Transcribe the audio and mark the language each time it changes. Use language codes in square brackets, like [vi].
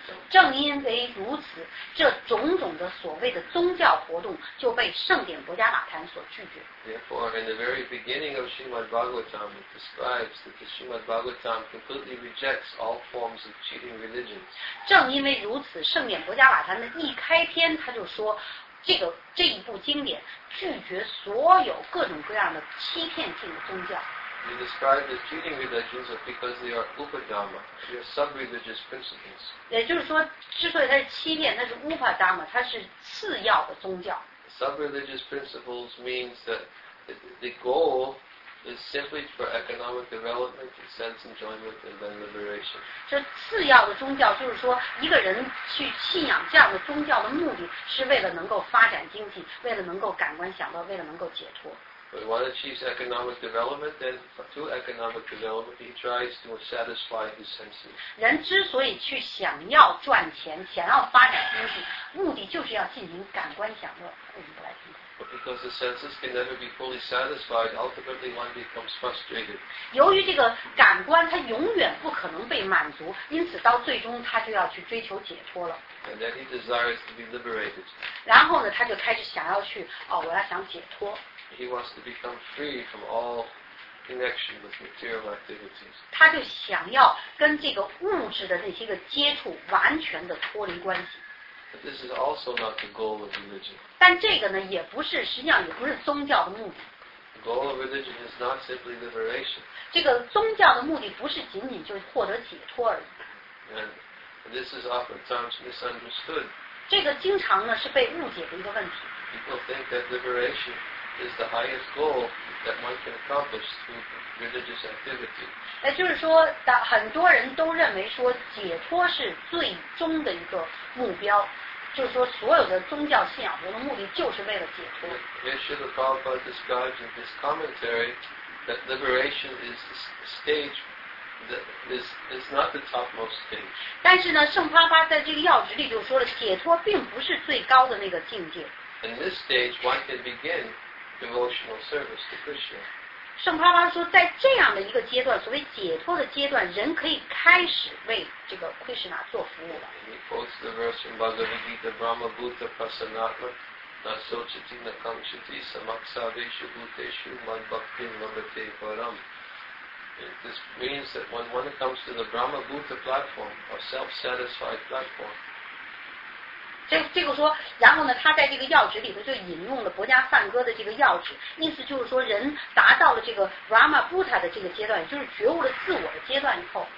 [zh] 正因为如此，这种种的所谓的宗教活动就被圣典博迦那坛所拒绝。 [en] Therefore, in the very beginning of Srimad Bhagavatam, it describes that the Srimad Bhagavatam completely rejects all forms of cheating religions. [zh] 正因为如此，圣典博迦那坛的一开篇他就说，这一部经典拒绝所有各种各样的欺骗性的宗教。 [en] You describe the cheating religions because they are upadama, they are sub-religious principles. [zh] 也就是说，之所以它是欺骗，那是 upadama, 它是次要的宗教。 [en] Sub-religious principles means that the goal is simply for economic development, sense enjoyment, and then liberation. [zh] 这次要的宗教就是说，一个人去信仰这样的宗教的目的是为了能够发展经济，为了能够感官享乐，为了能够解脱。 [en] But one achieves economic development, then through economic development, he tries to satisfy his senses. [zh] 人之所以去想要赚钱，想要发展经济，目的就是要进行感官享乐。为什么不来听？ [en] But because the senses can never be fully satisfied, ultimately one becomes frustrated. [zh] 由于这个感官它永远不可能被满足，因此到最终他就要去追求解脱了。 [en] And then he desires to be liberated. [zh] 然后呢，他就开始想要去，哦，我要想解脱。 [en] He wants to become free from all connection with material activities. [zh] 他就想要跟这个物质的那些个接触完全的脱离关系。 [en] But this is also not the goal of religion. [zh] 但这个呢，也不是，实际上也不是宗教的目的。 [en] The goal of religion is not simply liberation. [zh] 这个宗教的目的不是仅仅就获得解脱而已。 [en] And this is oftentimes misunderstood. [zh] 这个经常呢是被误解的一个问题。 [en] People think that liberation is the highest goal that one can accomplish through religious activity. [zh] 也就是说，很多人都认为说解脱是最终的一个目标，就是说所有的宗教信仰活动目的就是为了解脱。 [en] Srila Prabhupada describes in his commentary that liberation is the stage that is not the topmost stage. [zh] 但是呢，圣帕巴在这个要旨里就说了，解脱并不是最高的那个境界。 [en] In this stage, one can begin. Devotional service to Krishna. [zh] 圣帕巴说，在这样的一个阶段，所谓解脱的阶段，人可以开始为这个 Krishna 做服务了。 [en] He quotes the verse from Bhagavad Gita, [sa] Brahma Bhuta Prasanatma, Nasochitina Kamchiti Samaksaveshu Bhuteshu Madhbhaktin Mabate Param. [en] This means that when one comes to the Brahma Bhuta platform, a self-satisfied platform, [zh] 这个说，然后呢，他在这个要旨里头就引用了《博迦梵歌》的这个要旨，意思就是说，人达到了这个 Brahma Bhuta 的这个阶段，就是觉悟了自我的阶段以后。